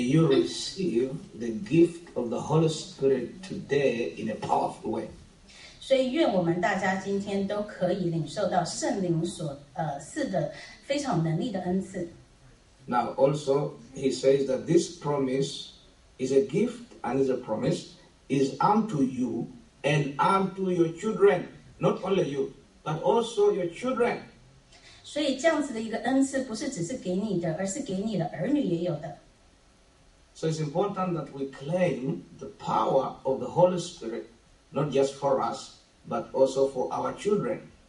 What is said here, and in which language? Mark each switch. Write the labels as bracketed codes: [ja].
[en] you receive the gift of the Holy Spirit today in a powerful way. [zh] 所以愿我们大家今天都可以领受到圣灵所赐的非常能力的恩赐。 [en] Now also, he says that this promise is a gift and is a promise is unto you and unto your children. Not only you, but also your children. [zh] 所以这样子的一个恩赐不是只是给你的，而是给你的儿女也有的。 [en] So it's important that we claim the power of the Holy Spirit, not just for us, but also for our children.